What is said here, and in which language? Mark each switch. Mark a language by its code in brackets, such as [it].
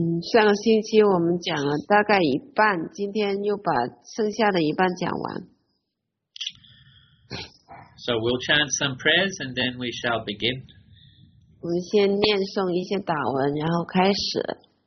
[zh] 上个星期我们讲了大概一半，今天又把剩下的一半讲完。 [en] So we'll chant some prayers, and then we shall begin. [zh] 我们先念诵一些祷文，然后开始。